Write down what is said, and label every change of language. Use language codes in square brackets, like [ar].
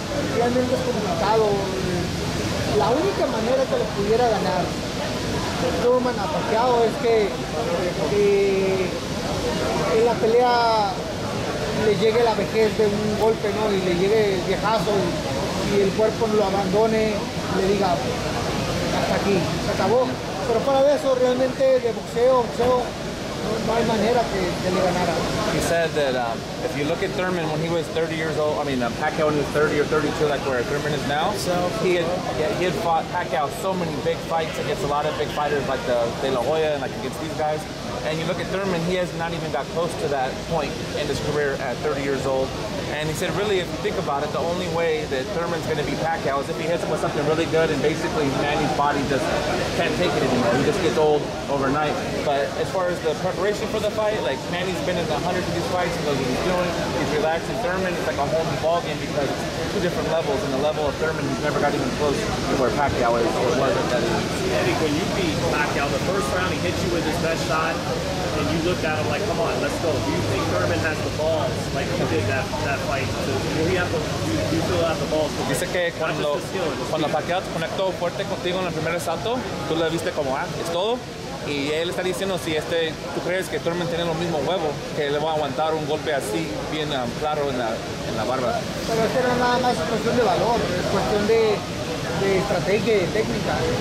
[es] Realmente es complicado. La única manera que le pudiera ganar Thurman a Pacquiao es que en la pelea le llegue la vejez de un golpe, ¿no? Y le llegue el viejazo y el cuerpo lo abandone y le diga... hasta aquí, se acabó, pero fuera de eso realmente de boxeo no hay manera que le ganara. [en] He said that if you look at Thurman when he was 30 years old, I mean Pacquiao when he was 30 or 32, like where Thurman is now, he had fought Pacquiao so many big fights against a lot of big fighters like the De La Hoya and like against these guys. And you look at Thurman, he has not even got close to that point in his career at 30 years old. And he said, really, if you think about it, the only way that Thurman's going to be Pacquiao is if he hits him with something really good and basically Manny's body just can't take it anymore. He just gets old overnight. But as far as the preparation for the fight, like Manny's been in the hundreds of these fights, he knows what he's doing, he's relaxed. And Thurman, it's like a whole new ballgame because it's two different levels. And the level of Thurman, he's never got even close to where Pacquiao is or was at that age. Eric, when you beat Pacquiao, the first round he hits you with his best shot, and you looked at him like, come on, let's go. Do you think Thurman has the balls like he did that fight? Do you still have the balls? [es] Dice que cuando Pacquiao conectó fuerte contigo en el primer asalto, tú le viste como, ah, es todo. Y él está diciendo, si tú crees que Thurman tiene los mismos huevos, que le va a aguantar un golpe así, bien claro en la barba. Pero esto no es nada más cuestión de valor, es cuestión de estrategia y de técnica.